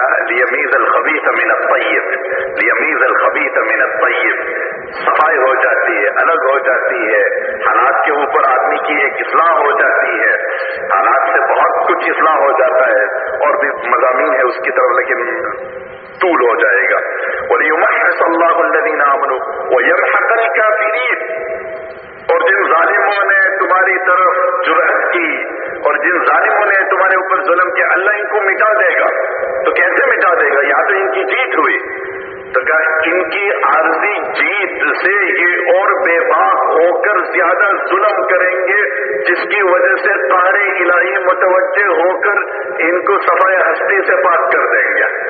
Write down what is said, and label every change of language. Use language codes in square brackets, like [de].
[ar] لیمیز الخبیث من الطیب, لیمیز الخبیث من الطیب, [ur] صفائی ہو جاتی ہے, [ar] الگ ہو جاتی ہے. [ur] حالات کے اوپر آدمی کی ایک اصلاح ہو جاتی ہے, حالات سے بہت کچھ اصلاح ہو جاتا ہے. اور بھی مضامین ہے اس کی طرف, لیکن طول ہو جائے گا. [ar] وليمحص الله الذين آمنوا ويمحق الكافرين. [ur] اور جن ظالموں نے تمہاری طرف جرأت کی اور جن ظالموں نے تمہارے اوپر ظلم کیا, اللہ ان کو مٹا دے گا. تو کیسے مٹا دے گا؟ یا تو ان کی جیت ہوئی, تو کہا ان کی عارضی جیت سے یہ اور بے باک ہو کر زیادہ ظلم کریں گے, جس کی وجہ سے قہر الہی متوجہ ہو کر ان کو صفائے ہستی سے پاک کر دیں گے.